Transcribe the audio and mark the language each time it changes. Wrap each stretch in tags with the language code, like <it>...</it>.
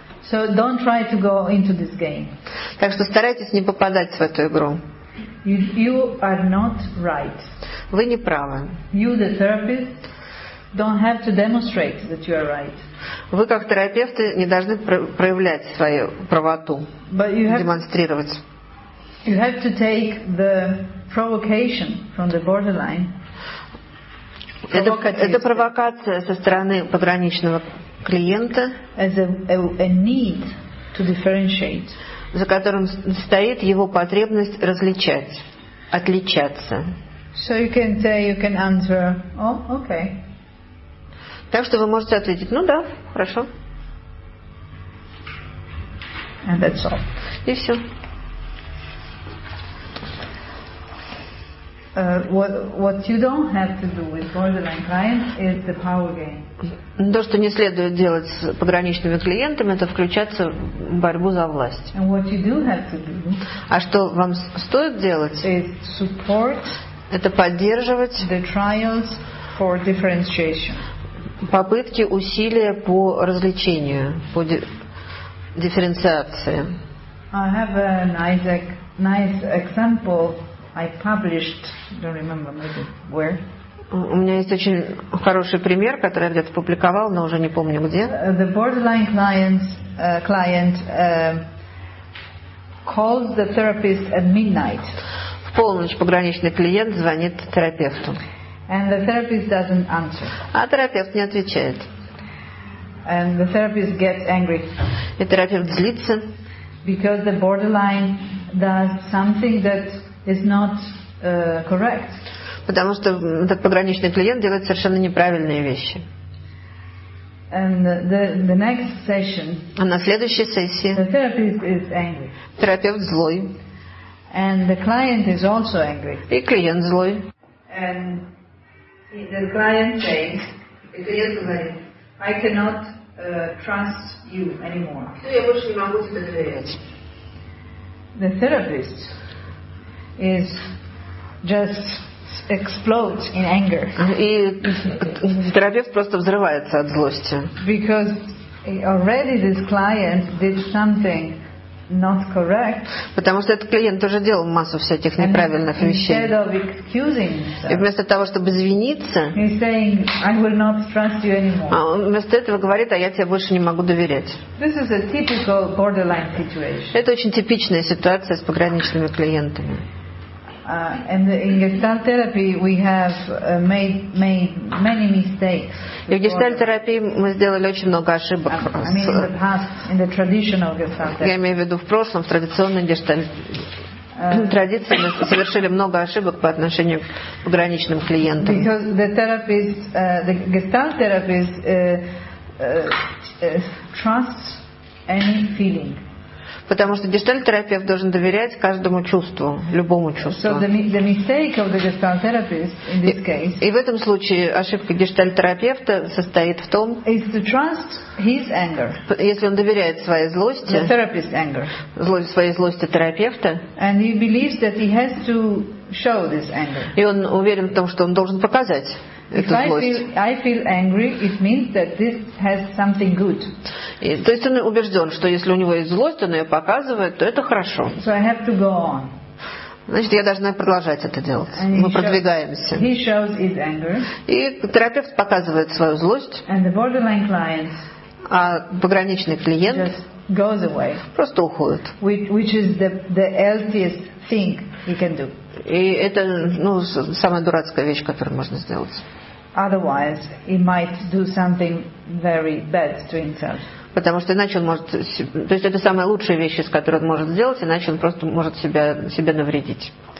<en>So don't try to go into this game.</en> <ru>Так что старайтесь не попадать в эту игру.</ru> <en>You are not right.</en> <ru>Вы не правы.</ru> <en>You, the therapist, don't have to demonstrate that you are right.</en> <ru>Вы как терапевты не должны проявлять свою правоту, демонстрировать.</ru> <en>You have to take the provocation from the borderline.</en> <ru>Это провокация со стороны пограничного клиента,</ru> <en>as a need to differentiate,</en> <ru>за которым стоит его потребность различать, отличаться.</ru> <en>So you can say, you can answer, oh, okay.</en> <ru>Так что вы можете ответить, ну да, хорошо.</ru> <en>And that's all.</en> <ru>И все.</ru> <en>What you don't have to do with borderline clients is the power game.</en> <ru>То, что не следует делать с пограничными клиентами, это включаться в борьбу за власть.</ru> <en>And what you do have to do,</en> <ru>а что вам стоит делать?</ru> <en>Is support,</en> <ru>это поддерживать</ru> <en>the trials for differentiation.</en> <ru>Попытки, усилия по различению, по дифференциации.</ru> <en>I have a nice example. I published, don't remember maybe where.</en> <ru>У меня есть очень хороший пример, который я где-то публиковал, но уже не помню где.</ru> <en>The borderline client calls the therapist at midnight.</en> <ru>В полночь пограничный клиент звонит терапевту.</ru> <en>And the therapist doesn't answer.</en> <ru>А терапевт не отвечает.</ru> <en>And the therapist gets angry.</en> <ru>И терапевт злится.</ru> <en>Because the borderline does something that is not correct.</en> <ru>Потому что этот пограничный клиент делает совершенно неправильные вещи.</ru> <en>And the next session.</en> <ru>А на следующей сессии.</ru> <en>The therapist is angry.</en> <ru>Терапевт злой.</ru> <en>And the client is also angry.</en> <ru>И клиент злой.</ru> <en>And the client says,</en> <ru>клиент говорит,</ru> <en>I cannot trust you anymore.</en> <ru>Я больше не могу тебе доверять.</ru> <en>The therapist is just explodes in anger.</en> <ru>И терапевт просто взрывается от злости.</ru> <en>Because already this client did something not correct.</en> <ru>Потому что этот клиент уже делал массу всяких неправильных вещей.</ru> <en>Instead of excusing himself,</en> <ru>и вместо того, чтобы извиниться,</ru> <en>he's saying, I will not trust you anymore.</en> <ru>Он вместо этого говорит, а я тебе больше не могу доверять.</ru> <en>This is a typical borderline situation.</en> <ru>Это очень типичная ситуация с пограничными клиентами.</ru> <en>And in Gestalt therapy we have made many mistakes.</en> <ru>В Gestalt терапии мы сделали очень много ошибок.</ru> <en>I mean, in the past, in the traditional Gestalt therapy.</en> <ru>Я имею в виду в прошлом, в традиционной Gestalt традиции мы совершили много ошибок по отношению к пограничным клиентам.</ru> <en>Because the therapist, the Gestalt therapist trusts any feeling.</en> <ru>Потому что гештальт-терапевт должен доверять каждому чувству, любому чувству.</ru> <en>So the mistake of the gestalt-therapist in this case.</en> <ru>И в этом случае ошибка гештальт-терапевта состоит в том,</ru> <en>is to trust his anger.</en> <ru>Если он доверяет своей злости,</ru> <en>the therapist's anger.</en> <ru>Своей злости терапевта.</ru> <en>And he believes that he has to show this anger.</en> <ru>И он уверен в том, что он должен показать.</ru> <en>I feel angry, it means that this has something good.</en> <ru>То есть он убежден, что если у него есть злость, он ее показывает, то это хорошо.</ru> <en>So I have to go on.</en> <ru>Значит, я должна продолжать это делать. Мы продвигаемся.</ru> <en>He shows his anger.</en> <ru>И терапевт показывает свою злость.</ru> <en>And the borderline client,</en> <ru>а пограничный клиент</ru> <en>just goes away,</en> <ru>просто уходит.</ru> <en>Which is the healthiest thing he can do.</en> <ru>И это, ну, самая дурацкая вещь, которую можно сделать.</ru> <en>Otherwise, he might do something very bad to himself.</en> <ru>Потому что иначе он может... То есть это самая лучшая вещь, из которой он может сделать, иначе он просто может себе навредить.</ru>